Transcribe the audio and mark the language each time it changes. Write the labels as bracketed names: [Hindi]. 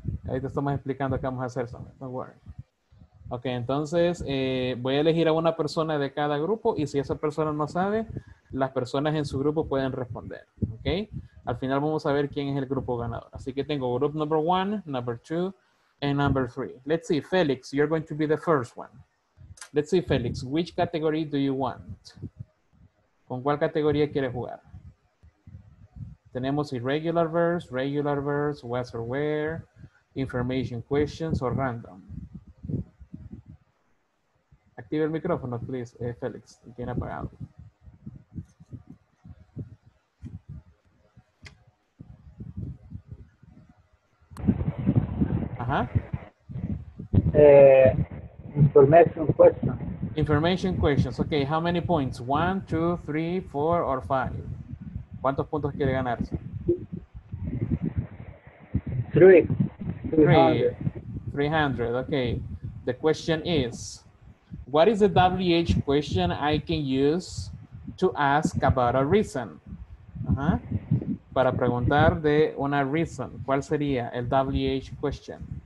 [Spanish] Ahí te estamos explicando qué vamos a hacer, Samuel. [English] Don't worry. [Spanish] Ok, entonces voy a elegir a una persona de cada grupo y si esa persona no sabe, las personas en su grupo pueden responder. Ok. Al final vamos a ver quién es el grupo ganador. Así que tengo [English] group number one, number two, and number three. Let's see, Felix, you're going to be the first one. Let's see, Felix, which category do you want? [Spanish] ¿Con cuál categoría quieres jugar? Tenemos [English] irregular verbs, regular verbs, was or where, information questions, or random. [Spanish] Activa el micrófono, please, Felix. Tiene apagado. Ajá. [English] Information questions. Information questions. Ok, how many points? 1, 2, 3, 4, or 5. [Spanish] ¿Cuántos puntos quiere ganarse? 300. Ok. [English] The question is, what is the WH question I can use to ask about a reason? Uh-huh. [Spanish] Para preguntar de una reason, ¿cuál sería el WH question?